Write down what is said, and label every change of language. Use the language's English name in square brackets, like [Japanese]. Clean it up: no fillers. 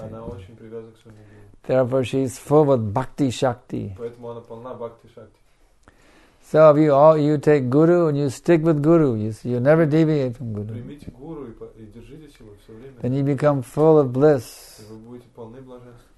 [Russian] Она очень привязана к своему guru. [English] Therefore, she is full with bhakti shakti. [Russian] Поэтому она полна бхакти шакти. [English] So, if you all you take guru and you stick with guru, you never deviate from guru. [Russian] Примите гуру и держитесь его все время. [English] Then you become full of bliss. [Russian] Вы будете полны блаженства.